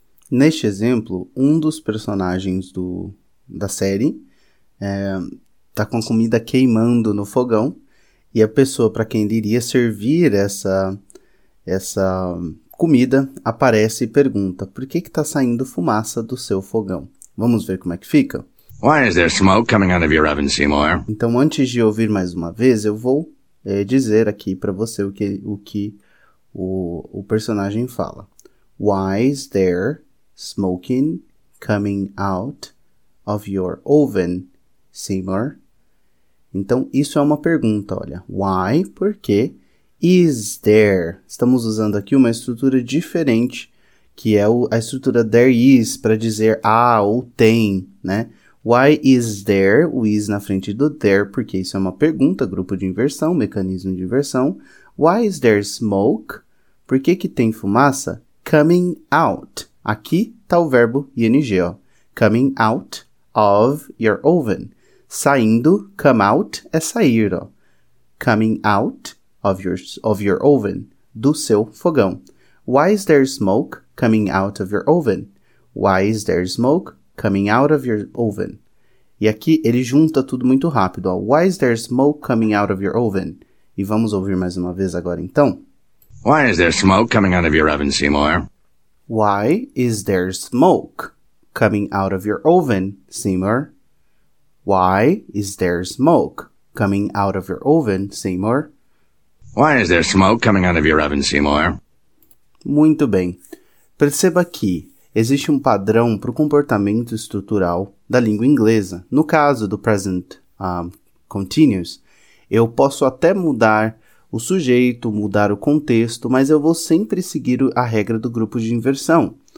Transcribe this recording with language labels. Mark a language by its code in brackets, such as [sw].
[pt] Neste exemplo, um dos personagens da série está com a comida queimando no fogão e a pessoa para quem ele iria servir essa comida aparece e pergunta: por que está saindo fumaça do seu fogão? Vamos ver como é que fica? [en] Why is there smoke coming out of your oven, Seymour? [pt] Então, antes de ouvir mais uma vez, eu vou dizer aqui para você o que o personagem fala. [en] Why is there smoking coming out of your oven, Seymour? [pt] Então, isso é uma pergunta, olha. Why, por quê? [en] Is there? [pt] Estamos usando aqui uma estrutura diferente, que é a estrutura [en] there is, [pt] para dizer ou tem, né? [en] Why is there, [pt] o is na frente do there, porque isso é uma pergunta, grupo de inversão, mecanismo de inversão. [en] Why is there smoke? [pt] Por que tem fumaça? [en] Coming out. [pt] Aqui está o verbo ing, ó. [en] Coming out of your oven. [pt] Saindo, [en] come out, [pt] é sair, ó. [en] Coming out of your oven, [pt] do seu fogão. [en] Why is there smoke coming out of your oven? Why is there smoke coming out of your oven? [pt] E aqui ele junta tudo muito rápido, ó. [en] Why is there smoke coming out of your oven? [pt] E vamos ouvir mais uma vez agora, então. [en] Why is there smoke coming out of your oven, Seymour? Why is there smoke coming out of your oven, Seymour? Why is there smoke coming out of your oven, Seymour? Why is there smoke coming out of your oven, Seymour? [pt] Muito bem. Perceba que existe um padrão para o comportamento estrutural da língua inglesa. No caso do present continuous, eu posso até mudar o sujeito, mudar o contexto, mas eu vou sempre seguir a regra do grupo de inversão.